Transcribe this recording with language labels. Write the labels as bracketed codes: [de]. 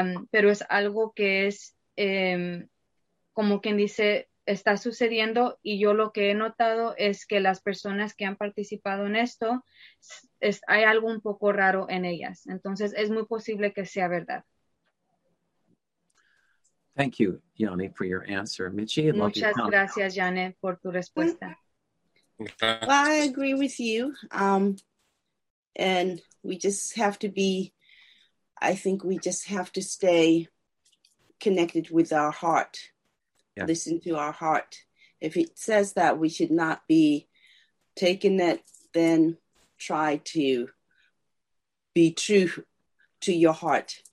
[es] Pero es algo que es, como quien dice, está sucediendo, y yo lo que he notado es que las personas que han participado en esto, hay algo un poco raro en ellas. Entonces, es muy posible que sea verdad. [en] Thank you, Yanni, for your answer. Michi, I'd love your comment. [es] Muchas gracias, Yanni, por tu respuesta. [en] Well, I agree with you. And we just have to be, I think we just have to stay connected with our heart. Yeah. Listen to our heart. If it says that we should not be taking it, then try to be true to your heart.